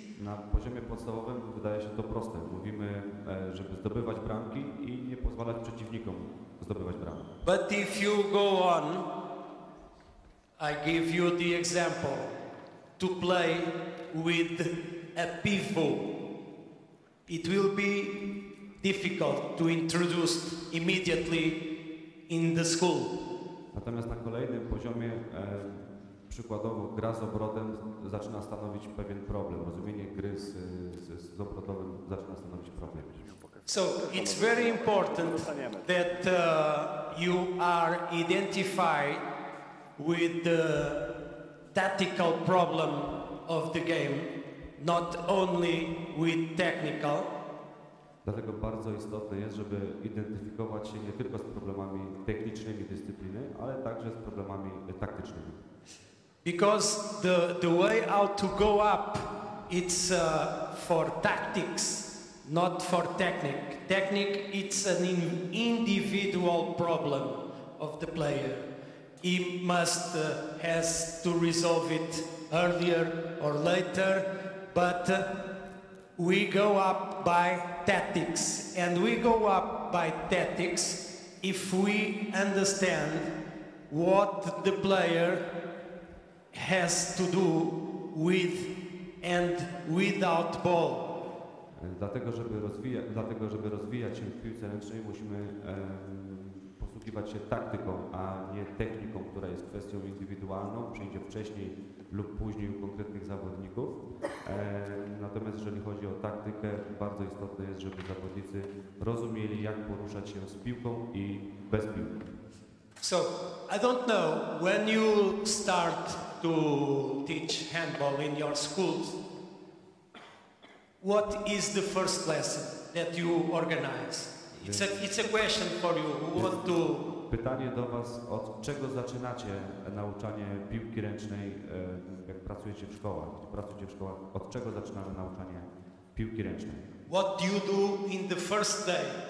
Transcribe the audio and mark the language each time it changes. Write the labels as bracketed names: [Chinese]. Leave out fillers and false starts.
[Polish] Na poziomie podstawowym wydaje się to proste. Mówimy, żeby zdobywać bramki i nie pozwalać przeciwnikom zdobywać bramki. [English] But if you go on, I give you the example to play with a pivot. It will be difficult to introduce immediately in the school. [Polish] Natomiast na kolejnym poziomie przykładowo gra z obrotem zaczyna stanowić pewien problem. Rozumienie gry z obrotowym zaczyna stanowić problem. [English] So it's very important that you are identified with the tactical problem of the game, not only with technical. [Polish] Dlatego bardzo istotne jest, żeby identyfikować się nie tylko z problemami technicznymi dyscypliny, ale także z problemami taktycznymi. [English] Because the way how to go up, it's for tactics, not for technique. Technique, it's an individual problem of the player. He must has to resolve it earlier or later, but we go up by tactics, and we go up by tactics if we understand what the player has to do with and without ball. [Polish] Dlatego, żeby rozwijać się w piłce ręcznej, musimy posługiwać się taktyką, a nie techniką, która jest kwestią indywidualną, przyjdzie wcześniej lub później u konkretnych zawodników. Natomiast jeżeli chodzi o taktykę, bardzo istotne jest, żeby zawodnicy rozumieli, jak poruszać się z piłką i bez piłki. [English] So, I don't know, when you start to teach handball in your schools, what is the first lesson that you organize? It's a question for you. [Polish] Pytanie do was, od czego zaczynacie nauczanie piłki ręcznej, jak pracujecie w szkołach? Od czego zaczynamy nauczanie piłki ręcznej? [English] What do you do in the first day?